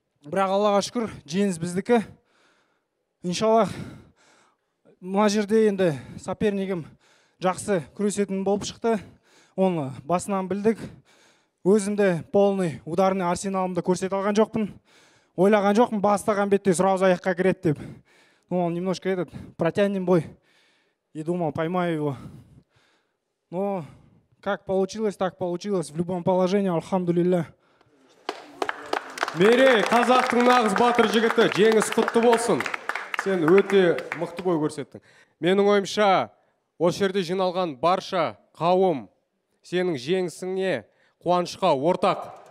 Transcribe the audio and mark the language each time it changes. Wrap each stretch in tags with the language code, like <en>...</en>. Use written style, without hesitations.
<kk>Бірақ Аллаға шүкір, жеңіс біздікі. Иншалла мына жерде енді соперникім жақсы күресетін болып шықты. Оны басынан білдік. Өзімді</kk> <ru>полный ударный</ru> <kk>арсеналымды көрсете алған жоқпын. Ойлаған жоқпын, бастаған бетте сразу аяққа кіреді деп.</kk> <ru>Он немножко этот протянем бой. И думал, поймаю его. Но как получилось, так получилось. В любом положении, алхамдулилля.</ru> <kk>Мерей, қазақтың нағыз батыр жігіті, жеңіс құтты болсын. Сен өте мықты бой көрсеттің. Менің ойымша, осы жерде жиналған барша қауым, сенің жеңісіңе, қуанышқа ортақ.</kk>